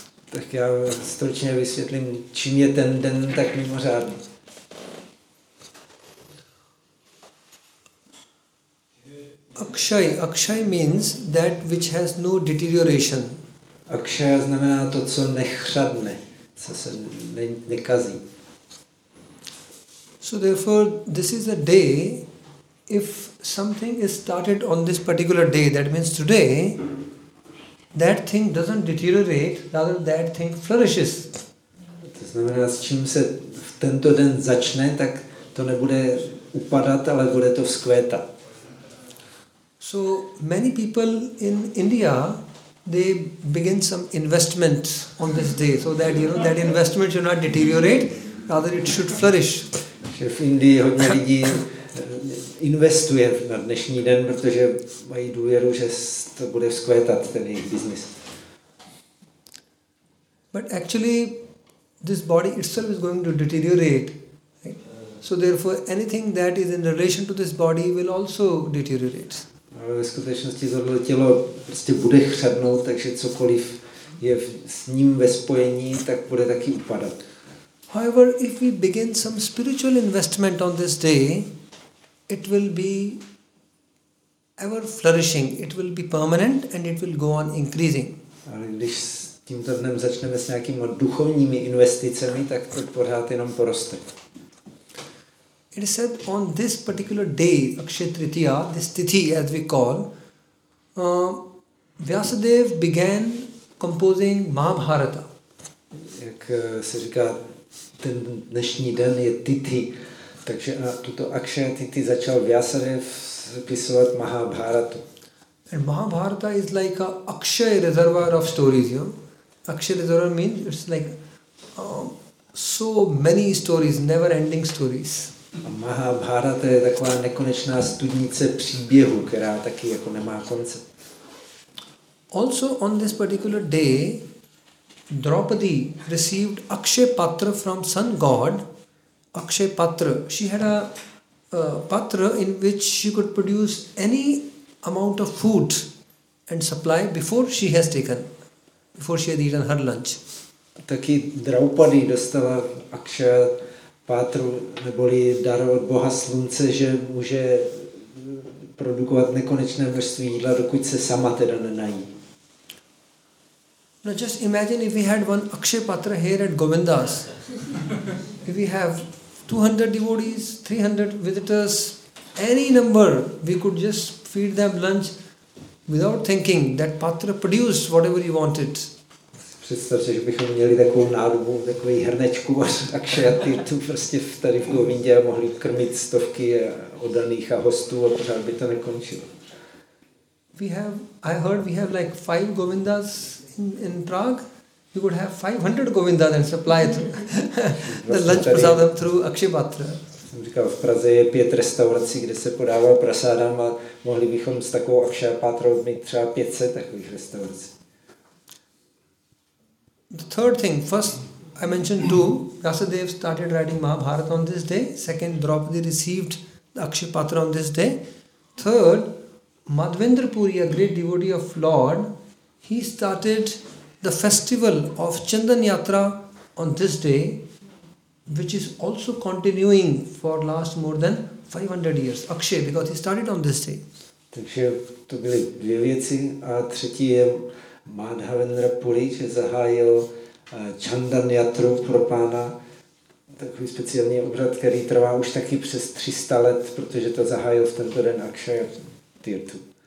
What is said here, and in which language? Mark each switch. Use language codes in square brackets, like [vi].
[cs] Tak já stručně vysvětlím, čím je ten den tak mimořádný. [en] Akshay, akshay means that which has no deterioration. [cs] Akshay znamená to, co nechřadne, co se nekazí. [en] So therefore, this is a day, if something is started on this particular day, that means today, that thing doesn't deteriorate, rather that thing flourishes. [cs] To znamená, s čím se v tento den začne, tak to nebude upadat, ale bude to vzkvétat. [en] So many people in India, they begin some investment on this day, so that you know that investment should not deteriorate, rather it should flourish. [cs] V Indii hodně lidí investuje na dnešní den, protože mají důvěru, že to bude vzkvétat ten jejich business. [en] But actually, this body itself is going to deteriorate. So therefore, anything that is in relation to this body will also deteriorate. [cs] Ale ve skutečnosti tohle tělo prostě bude chřadnout, takže cokoliv je s ním ve spojení, tak bude taky upadat. [en] However, if we begin some spiritual investment on this day, it will be ever flourishing, it will be permanent and it will go on increasing. [cs] Ale když s tímto dnem začneme s nějakými duchovními investicemi, tak to pořád jenom poroste. [en] It is said on this particular day, Akshaya Tritiya, this tithi as we call, Vyasadev began composing Mahabharata. [cs] Jak se říká, ten dnešní den je tithi, takže na tuto Akshaya Tithi začal Vyasadev písovat Mahabharatu. [en] And Mahabharata is like a Akshaya reservoir of stories, you know. Akshaya reservoir means it's like so many stories, never-ending stories. [cs] A Mahabharata je taková nekonečná studnice příběhu, která taky jako nemá konce. [en] Also on this particular day, Draupadi received Akshay Patra from Sun God. Akshay Patra, she had a patra in which she could produce any amount of food and supply before she had eaten her lunch. [cs] Taky Draupadi dostala Akshay Pátru, neboli dar od Boha slunce, že může produkovat nekonečné množství jídla, dokud se sama teda nenají. [en] No just imagine if we had one Akshay Patra here at Govindas. If we have 200 devotees, 300 visitors, any number, we could just feed them lunch without thinking that Patra produced whatever you wanted. [cs] Představ si, že bychom měli takovou nádobu, takový hrnečku a Akshaya Tirthu prostě tady v Govindě a mohli krmit stovky oddaných a hostů a pořád by to nekončilo. [en] I heard we have like 5 Govindas in Prague. We could have 500 Govindas and supply the lunch prasadam through Akshaya Patra. [cs] Jsem říkal, v Praze je 5 restaurací, kde se podává prasadam a mohli bychom s takovou Akshaya Patrou mít třeba 500 takových restaurací. [en] The third thing, first I mentioned two, Vyasadev started writing Mahabharata on this day, second Draupadi received the Akshay Patra on this day, third Madhvendra Puri, a great devotee of Lord, he started the festival of Chandan Yatra on this day, which is also continuing for last more than 500 years. Akshay, because he started on this day. [cs] Takže to byly dvě věci a třetí je Madhavendra Puri, že zahájil Chandan Yatru pro pána. Takový speciální obřad, který trvá už taky přes 300 let, protože to zahájil v tento den Akshaya Tirthu.